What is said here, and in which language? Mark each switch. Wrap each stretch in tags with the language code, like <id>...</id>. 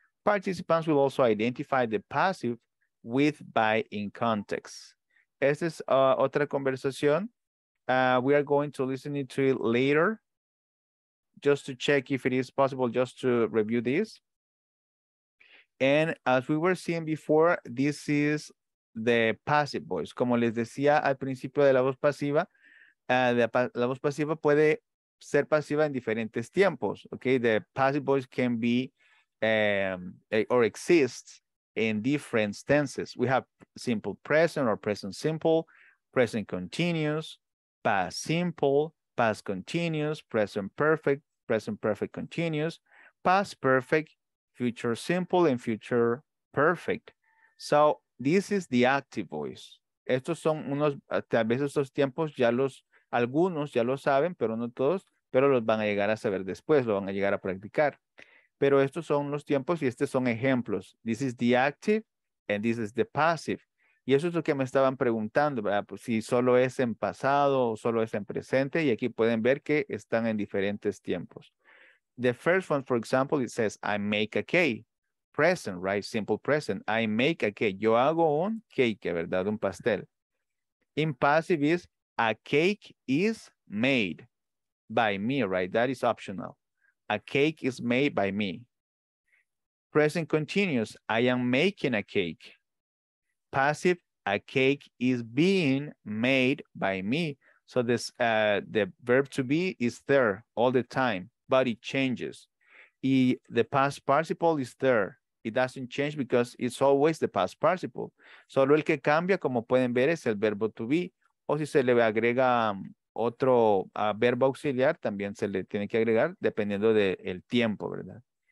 <en>Participants will also identify the passive with by in context.</en> <es>Esta es otra conversación.</es> <en>We are going to listen to it later, just to check if it is possible just to review this. And as we were seeing before, this is the passive voice.</en> <es>Como les decía al principio de la voz pasiva, la voz pasiva puede ser pasiva en diferentes tiempos.</es> <en>Okay, the passive voice can be or exist in different tenses. We have simple present or present simple, present continuous, past simple, past continuous, present perfect, present perfect continuous, past perfect, future simple, and future perfect. So this is the active voice.</en> <es>Estos son unos, tal vez estos tiempos ya los, algunos ya lo saben, pero no todos, pero los van a llegar a saber después, lo van a llegar a practicar. Pero estos son los tiempos y estos son ejemplos.</es> <en>This is the active and this is the passive.</en> <es>Y eso es lo que me estaban preguntando, ¿verdad? Pues si solo es en pasado o solo es en presente. Y aquí pueden ver que están en diferentes tiempos.</es> <en>The first one, for example, it says, I make a cake. present, right? Simple present. I make a cake.</en> <es>Yo hago un cake, ¿verdad? Un pastel.</es> <en>In passive is a cake is made by me, right? That is optional. A cake is made by me. Present continuous, I am making a cake. Passive, a cake is being made by me. So this the verb to be is there all the time, but it changes. The past participle is there. It doesn't change because it's always the past participle.</en> <es>Solo el que cambia, como pueden ver, es el verbo to be. O si se le agrega otro verbo auxiliar, también se le tiene que agregar dependiendo del tiempo, ¿verdad?</es>